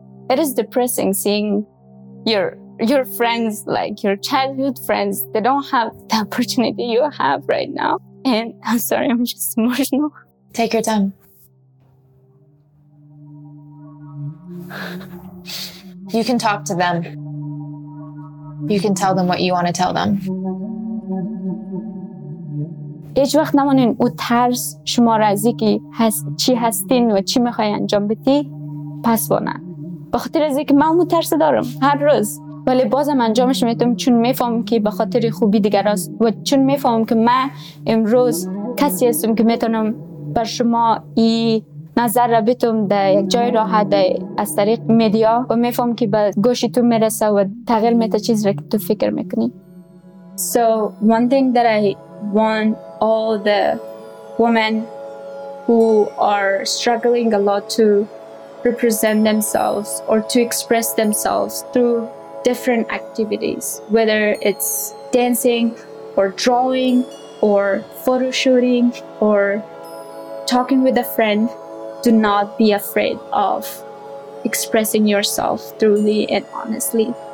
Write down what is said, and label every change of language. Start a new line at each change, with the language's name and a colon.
English: It is depressing seeing your friends, like your childhood friends, they don't have the opportunity you have right now. And I'm sorry, I'm just emotional. Take your time. You can talk to them. You can tell them what you want to tell them.
Persian: هیچ وقت نمانین او ترس شما را از اینکه چی هستین و چی میخوای انجام بدی پس بانه. به خاطر از اینکه من او ترس دارم هر روز. ولی بازم انجامش میدم چون میفهمم که به خاطر خوبی دیگر است و چون میفهمم که من امروز کسی هستم که میتونم بر شما ای نظر را بتوم در یک جای راحت از طریق میدیا و میفهمم که به گوشی تو میرسه و تغییر میده چیز را که تو فکر میکنی.
English: So one thing that I want all the women who are struggling a lot to represent themselves or to express themselves through different activities, whether it's dancing or drawing or photo shooting or talking with a friend, do not be afraid of expressing yourself truly and honestly.